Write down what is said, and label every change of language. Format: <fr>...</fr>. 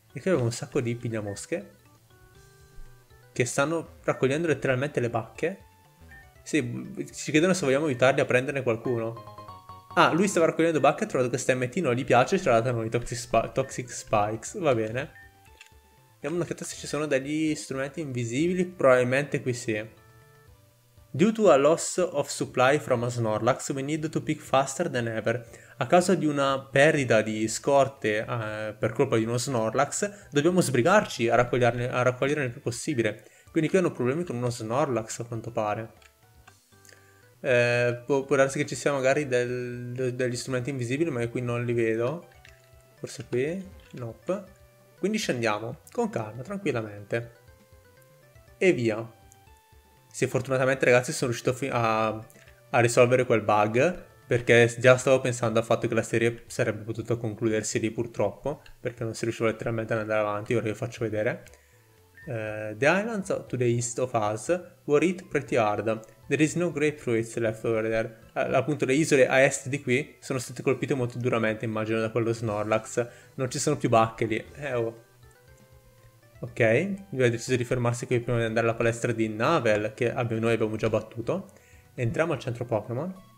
<it>E qui abbiamo un sacco di pignamosche che stanno raccogliendo letteralmente le bacche. Sì, ci chiedono se vogliamo aiutarli a prenderne qualcuno. Ah, lui stava raccogliendo bacche, ha trovato questa MT, non gli piace, ce l'ha data noi, Toxic Spikes. Va bene. Diamo un'occhiata se ci sono degli strumenti invisibili. Probabilmente qui sì.</it> <en>Due to a loss of supply from a Snorlax, we need to pick faster than ever.</en> <it>A causa di una perdita di scorte per colpa di uno Snorlax, dobbiamo sbrigarci a raccoglierne il più possibile. Quindi qui hanno problemi con uno Snorlax, a quanto pare. Può darsi che ci sia magari degli strumenti invisibili, ma io qui non li vedo. Forse qui? Nope. Quindi scendiamo, con calma, tranquillamente. E via. Sì, fortunatamente ragazzi sono riuscito a risolvere quel bug, perché già stavo pensando al fatto che la serie sarebbe potuta concludersi lì purtroppo, perché non si riusciva letteralmente ad andare avanti, ora vi faccio vedere.</it> <en>The islands to the east of us were hit pretty hard. There is no grapefruits left over there.</en> <it>Appunto le isole a est di qui sono state colpite molto duramente, immagino, da quello Snorlax. Non ci sono più bacche lì. Oh. Ok, lui ha deciso di fermarsi qui prima di andare alla palestra di Navel, che noi abbiamo già battuto. Entriamo al centro Pokémon.</it>